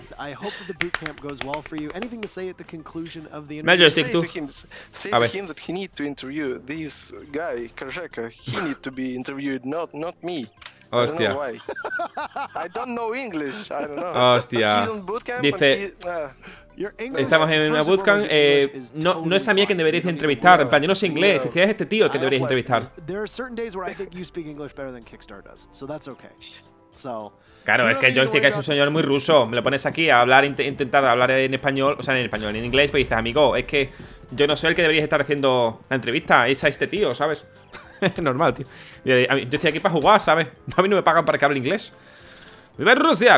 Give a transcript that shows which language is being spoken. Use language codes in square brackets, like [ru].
[en] I hope that the boot camp goes well for you. Anything to say at the conclusion of the interview? Say to him, say to him that he need to interview this guy, Karzeka. He need to be interviewed, not me. [es] Hostia. [en] I don't know why. I don't know English. I don't know. [es] Hostia. [en] He's on boot camp. [es] Dice, estamos en una bootcamp. No es a mí a quien deberías entrevistar. En plan, yo no sé inglés. Si es este tío que deberías entrevistar. [en] There are certain days where I think you speak English better than Kickstarter does. So that's okay. So... [es] Claro, es que Joystick es un señor muy ruso. Me lo pones aquí a hablar, intentar hablar en español, o sea, en español, en inglés, pues dices, amigo, es que yo no soy el que deberías estar haciendo la entrevista, es a este tío, ¿sabes? Es normal, tío. Yo estoy aquí para jugar, ¿sabes? A mí no me pagan para que hable inglés. ¡Viva Rusia!